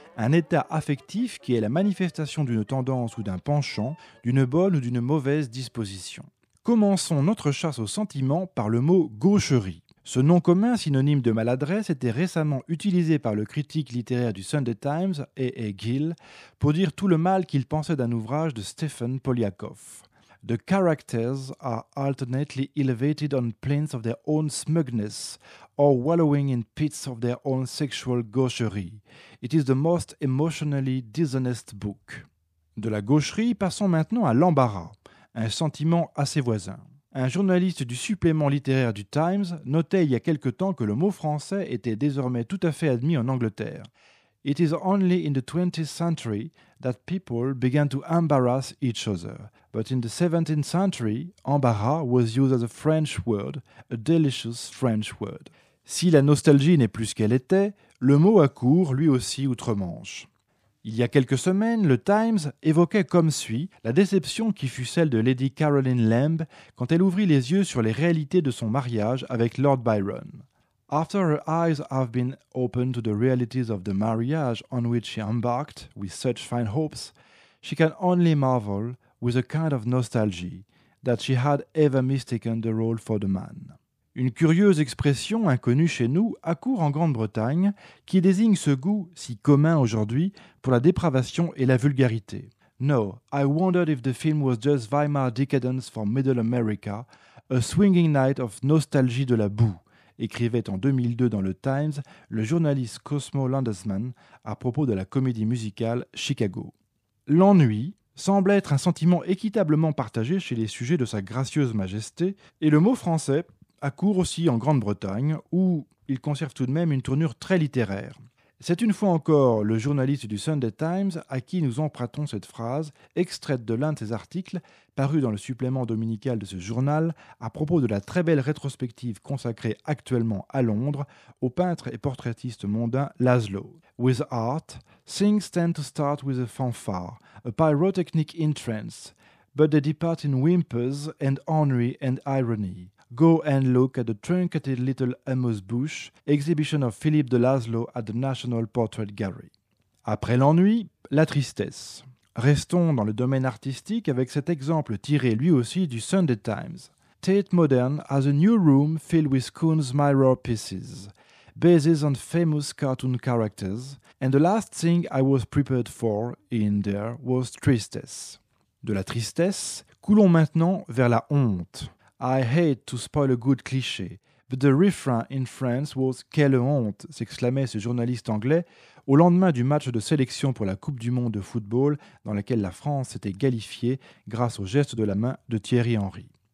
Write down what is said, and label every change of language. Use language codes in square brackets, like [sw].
[fr] Un état affectif qui est la manifestation d'une tendance ou d'un penchant, d'une bonne ou d'une mauvaise disposition. Commençons notre chasse au sentiment par le mot « gaucherie ». Ce nom commun, synonyme de maladresse, était récemment utilisé par le critique littéraire du Sunday Times, A.A. Gill, pour dire tout le mal qu'il pensait d'un ouvrage de Stephen Poliakoff. [en] « The characters are alternately elevated on plinths of their own smugness or wallowing in pits of their own sexual gaucherie. It is the most emotionally dishonest book. [fr] » De la gaucherie, passons maintenant à l'embarras, un sentiment assez voisin. Un journaliste du supplément littéraire du Times notait il y a quelque temps que le mot français était désormais tout à fait admis en Angleterre. [en] « It is only in the 20th century that people began to embarrass each other. But in the 17th century, embarras was used as a French word, a delicious French word. » [fr] Si la nostalgie n'est plus ce qu'elle était, le mot a cours, lui aussi, outre-Manche. Il y a quelques semaines, le Times évoquait comme suit la déception qui fut celle de Lady Caroline Lamb quand elle ouvrit les yeux sur les réalités de son mariage avec Lord Byron. [en] After her eyes have been opened to the realities of the marriage on which she embarked with such fine hopes, she can only marvel with a kind of nostalgia that she had ever mistaken the role for the man. [fr] Une curieuse expression inconnue chez nous accourt en Grande-Bretagne qui désigne ce goût si commun aujourd'hui pour la dépravation et la vulgarité. [en] No, I wondered if the film was just Weimar decadence for Middle America, a swinging night of nostalgia de la boue, [fr] écrivait en 2002 dans le Times le journaliste Cosmo Landesman à propos de la comédie musicale Chicago. L'ennui semble être un sentiment équitablement partagé chez les sujets de sa gracieuse majesté, et le mot français accourt aussi en Grande-Bretagne, où il conserve tout de même une tournure très littéraire. C'est une fois encore le journaliste du Sunday Times à qui nous empruntons cette phrase, extraite de l'un de ses articles, paru dans le supplément dominical de ce journal, à propos de la très belle rétrospective consacrée actuellement à Londres au peintre et portraitiste mondain Laszlo. [en] « With art, things tend to start with a fanfare, a pyrotechnic entrance, but they depart in whimpers and ennui and irony. » Go and look at the truncated little amuse-bouche, exhibition of Philippe de Laszlo at the National Portrait Gallery. [fr] Après l'ennui, la tristesse. Restons dans le domaine artistique avec cet exemple tiré lui aussi du Sunday Times. [en] Tate Modern has a new room filled with Kuhn's mirror pieces, based on famous cartoon characters, and the last thing I was prepared for in there was tristesse. [fr] De la tristesse, coulons maintenant vers la honte. [en] I hate to spoil a good cliché, but the refrain in France was « [fr] Quelle honte !» s'exclamait ce journaliste anglais au lendemain du match de sélection pour la Coupe du Monde de football dans laquelle la France s'était qualifiée grâce au geste de la main de Thierry Henry.